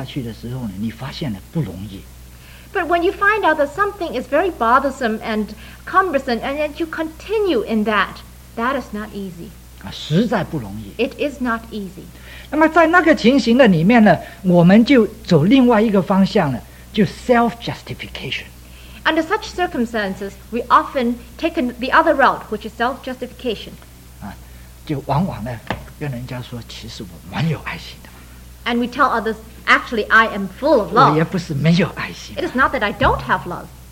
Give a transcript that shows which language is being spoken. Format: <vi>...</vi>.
<zh>可是呢，真正到你发现了事情很麻烦，但是呢，你还是继续真正有爱心做下去的时候呢，你发现了不容易。</zh> <en>But when you find out that something is very bothersome and cumbersome, and yet you continue in that, that is not easy.</en> <zh>啊，实在不容易。</zh> <en>It is not easy.</en> <zh>那么在那个情形的里面呢，我们就走另外一个方向了，就</zh> <en>self-justification. Under such circumstances, we often take the other route, which is self-justification.</en> <zh>啊，就往往呢，跟人家说，其实我蛮有爱心的。</zh> <en>And we tell others, actually, I am full of love.</en> <zh>我也不是没有爱心。</zh> <en>It is not that I don't have love.</en>